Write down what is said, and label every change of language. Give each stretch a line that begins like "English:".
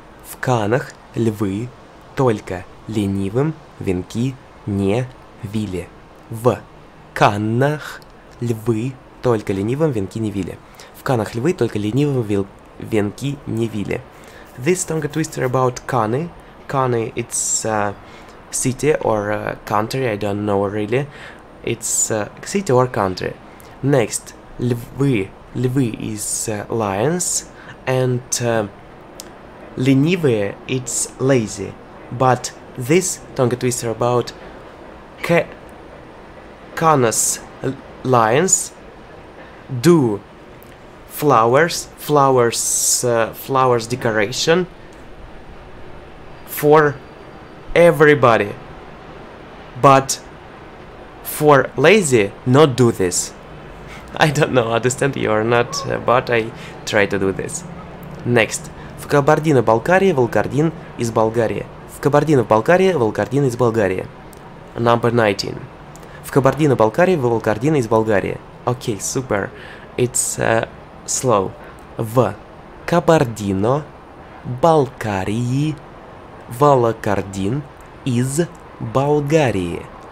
Russian: В Каннах львы только ленивым венки не вили. В Каннах львы только ленивым венки не вили. В Каннах львы только ленивым венки не вили.
English: This tongue twister about Kanny. Kanny, it's a city or a country, I don't know really. It's a city or country. Next, львы. Львы is lions. And ленивые, it's lazy. But this tongue twister about Canis lions do flowers decoration for everybody, but for lazy not do this. I don't know, understand you or not, but I try to do this.
Russian: Next, в Кабардино-Балкарии Волгардин из Болгарии. В Кабардино-Балкарии Волгардин из Болгарии.
English: Number 19.
Russian: В Кабардино-Балкарии Волгардин из Болгарии.
English: Okay, super. It's slow.
Russian: В Кабардино-Балкарии Волгардин из Болгарии.